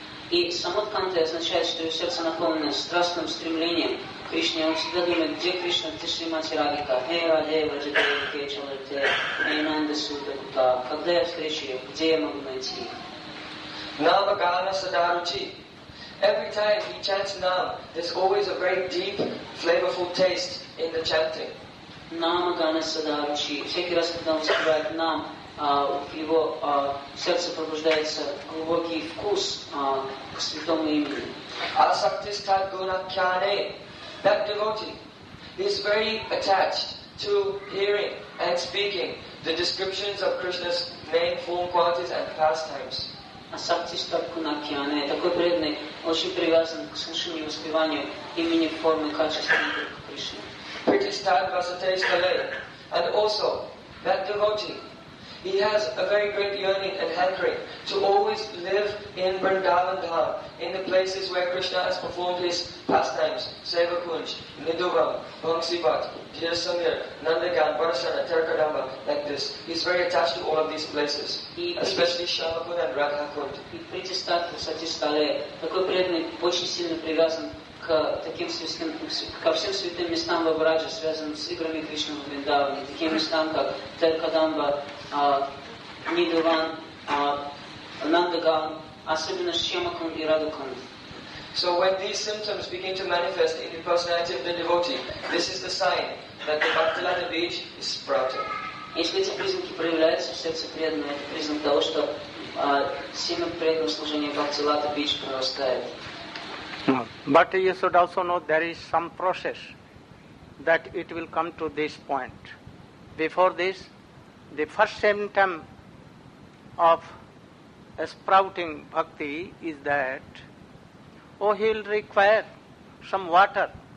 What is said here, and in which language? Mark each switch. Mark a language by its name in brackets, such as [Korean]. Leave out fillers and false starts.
[Russian] И самотканте означает, что его сердце наполнено страстным стремлением к Кришне. Он всегда думает, где Кришна, где Шримати Радхика, Хе Раде, Ваджадевике, Чалалите, Хей Нанда Суда Кута. Когда я встречу ее, где я могу найти их? [Sanskrit] Нама Гана Садаручи. [English] Every time he chants Nam, there's always a very deep, flavorful taste in the chanting. [Sanskrit] Нама Гана Садаручи. [Russian] Всякий раз, когда он вспоминает Нам, его сердце пробуждается глубокий вкус к святому имени. [Sanskrit] Asaktistat Gunakyane. [English] That devotee is very attached to hearing and speaking the descriptions of Krishna's name, form, qualities and pastimes. [Russian] Асактистат Кунакьяне, такой преданный, очень привязан к слушанию и воспеванию имени, формы, качества Кришны. [Sanskrit] Притистат Васатей Скале. [English] And also, that devotee He has a very great yearning and hankering to always live in Vrindavan Dham, in the places where Krishna has performed his pastimes, Seva Kunj, Nidhuvam, Bhangsipat, Jirasamir, Nandagan, Varasana, Terkadamba, like this. He's very attached to all of these places, especially Shavakund and Radhakund. He preaches that in such a style. [Russian] Такой преданный очень сильно привязан к таким святым, ко всем святым местам во Врадже, связанным с играми Кришны в Вриндаване, таким местам, как Теркадамба, Нидуван, Нандаган, особенно Шьямакан и Радукан. [English] So when these symptoms begin to manifest in the personality of the devotee, this is the sign that the Bhaktilata Beach is sprouting. [Russian] Если эти признаки проявляются в сердце преданного, это признак того, что семя преданного служения Бхактилата Бич прорастает. [English] But you should also know there is some process that it will come to this point. Before this, the first symptom of sprouting bhakti is that, he will require some water.